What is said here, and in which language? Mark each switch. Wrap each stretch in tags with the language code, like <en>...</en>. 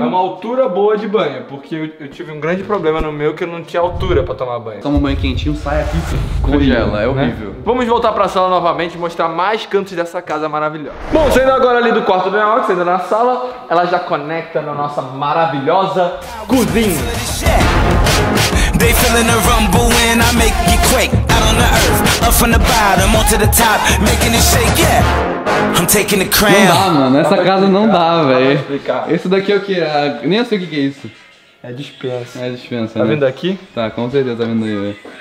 <pt>É uma altura boa de banho, porque eu tive um grande problema no meu que eu não tinha altura pra tomar banho. Toma um banho quentinho, sai aqui. Congela, é horrível. Né? Vamos voltar pra sala novamente e mostrar mais cantos dessa casa maravilhosa. Bom, saindo agora ali do quarto do Neox, saindo na sala, ela já conecta na nossa maravilhosa cozinha.</pt> <en>They feeling the rumble and I make you quake. Out on the earth, up from the bottom, onto the top, making it shake, yeah. I'm taking the crown.</en> <pt>Não dá, mano, essa casa não dá, velho. Esse daqui é o que? Nem eu sei o que é isso. É dispensa. É dispensa, tá, né? Tá vindo aqui? Tá, com certeza tá vindo aí, velho.</pt>